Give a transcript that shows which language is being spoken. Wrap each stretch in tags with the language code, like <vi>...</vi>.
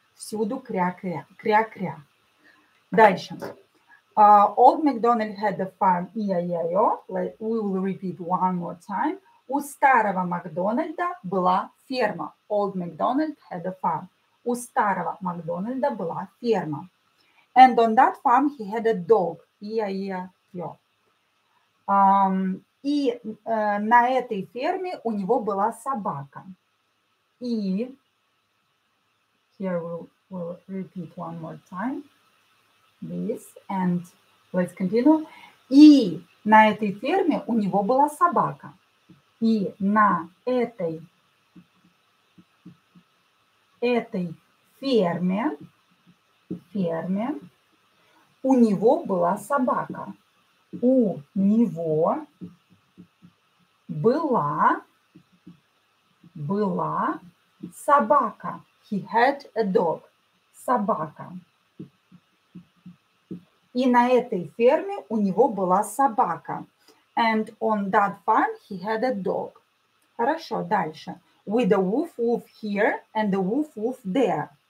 <ru>Всюду кря-кря. Дальше.</ru> <en>Old MacDonald had a farm. Я-я-я. We will repeat one more time.</en> <ru>У старого Макдональда была ферма.</ru> <en>Old MacDonald had a farm.</en> <ru>У старого Макдональда была ферма.</ru> <en>And on that farm he had a dog. Я-я-я.</en> <ru>И на этой ферме у него была собака.</ru> <en>И here we'll repeat one more time. This and let's continue.</en> <ru>И на этой ферме у него была собака. И на этой ферме у него была собака. У него была собака.</ru> <en>He had a dog. Собака.</en> <ru>И на этой ферме у него была собака.</ru> <en>And on that farm he had a dog.</en> <ru>Хорошо, дальше.</ru> <en>With a woof-woof here and a woof-woof there.</en>